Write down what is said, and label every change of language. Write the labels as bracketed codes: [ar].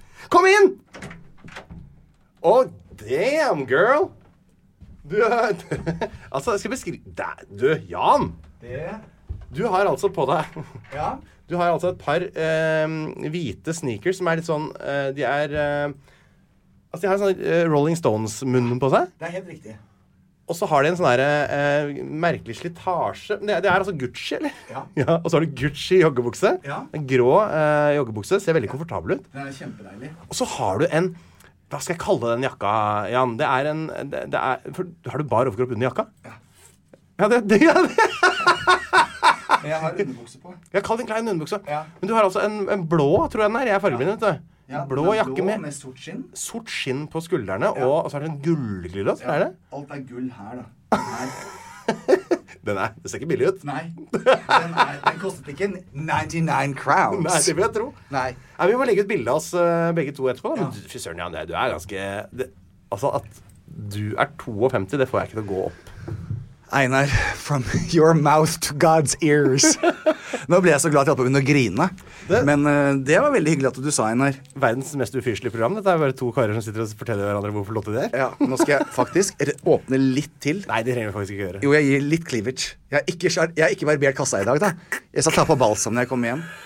[no] Kom inn! [en] Oh, damn, girl! [no] Du, altså, skal jeg beskrive... Du, Jan! Det? Du har altså på deg... Ja? Du har altså et par hvite sneakers som litt sånn... de altså, de har en sånn Rolling Stones-munnen på seg. Det helt riktig. Og så har de en sånn der merkelig slitage. Det altså Gucci, eller? Ja. Ja, og så har du Gucci joggebukse. Ja. En grå joggebukse. Ser veldig komfortabel ut. Det kjempedeilig. Og så har du en... Hva skal jeg kalle den jakka, Jan? Det en... For, har du bare overkropp under jakka? Ja. Ja, det gjør det. Men jeg har underbukser på. Jeg har kalt en klein underbukser. Ja. Men du har altså en blå, tror jeg den jeg er fargeblind, vet du. Ja, blå jakke med sort skinn. Sort skinn på skuldrene, ja. Og så det en gullglilla, tror jeg det. Alt gull her, da. Den er, det ser ikke billig ut. Nei, den kostet ikke 99 crowns. Nei, det vil jeg tro. Nei. Nei, vi må legge ut bildet oss begge to etterpå, da. Ja. Fysøren, ja, du ganske... Det, altså, at du 52, det får jeg ikke til å gå opp. [en] Einar, from your mouth to God's ears. [no] Nå ble jeg så glad til at jeg begynner å grine. Men det var veldig hyggelig at du sa, Einar. Verdens mest ufyrselige program. Dette bare to karer som sitter og forteller hverandre hvorfor låter det. Ja, nå skal jeg faktisk åpne litt til. Nei, det trenger vi faktisk ikke gjøre. Jo, jeg gir litt cleavage. Jeg har ikke barbert kassa i dag, da. Jeg skal ta på balsam når jeg kommer hjem.